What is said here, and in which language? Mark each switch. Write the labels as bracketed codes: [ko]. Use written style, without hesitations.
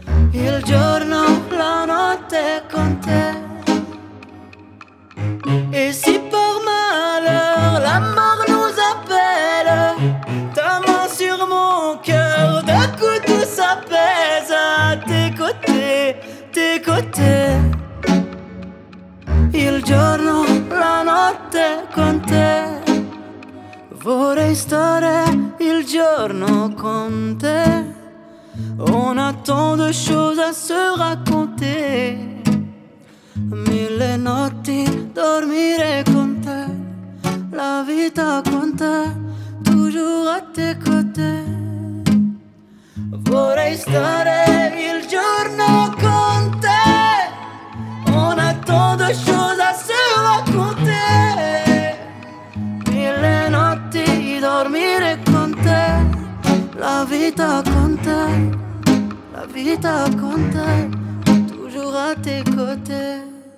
[it] Il giorno, la notte con te. [fr] Et si par malheur la mort nous appelle, ta main sur mon cœur, d'un coup tout s'apaise à tes côtés, tes côtés. [it] Il giorno, la notte con te. Vorrei stare il giorno con te. [fr] On a tant de choses à se raconter. [it] Mille notti dormire con te. La vita con te, [fr] toujours à tes côtés. [it] Vorrei stare il giorno con te. [fr] On a tant de choses à se raconter. [it] Mille notti dormire con te. La vita con te. La vita con te, [fr] toujours à tes côtés.